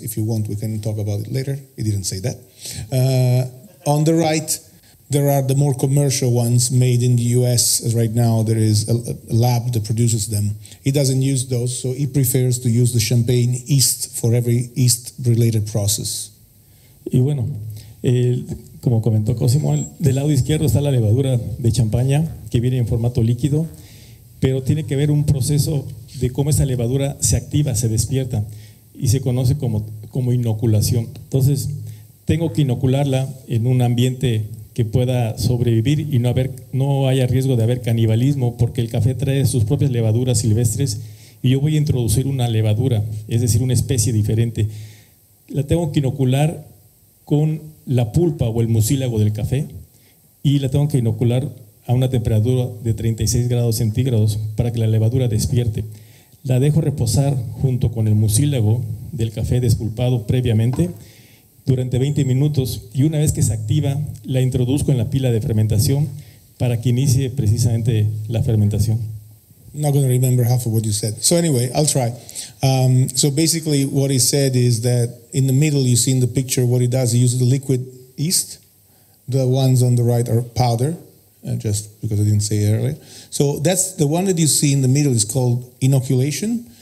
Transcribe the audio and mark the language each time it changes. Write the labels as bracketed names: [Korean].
[English] If you want, we can talk about it later. He didn't say that. On the right, There are the more commercial ones made in the US right now. There is a lab that produces them. He doesn't use those, so he prefers to use the champagne yeast for every yeast related process. [Spanish] Y bueno, como comentó Cosimo, del lado izquierdo está la levadura de champaña que viene en formato líquido, pero tiene que ver un proceso de cómo esa levadura se activa, se despierta y se conoce como inoculación. Entonces, tengo que inocularla en un ambiente que pueda sobrevivir y no haya riesgo de haber canibalismo, porque el café trae sus propias levaduras silvestres y yo voy a introducir una levadura, es decir, una especie diferente. La tengo que inocular con la pulpa o el mucílago del café y la tengo que inocular a una temperatura de 36 grados centígrados para que la levadura despierte. La dejo reposar junto con el mucílago del café despulpado previamente durante 20 minutos y una vez que se activa, la introduzco en la pila de fermentación para que inicie precisamente la fermentación. [English] Not going to remember half of what you said. So anyway, I'll try. So basically what he said is that in the middle, you see in the picture what he does, he uses the liquid yeast. The ones on the right are powder, just because I didn't say it earlier. So that's the one that you see in the middle is called inoculation.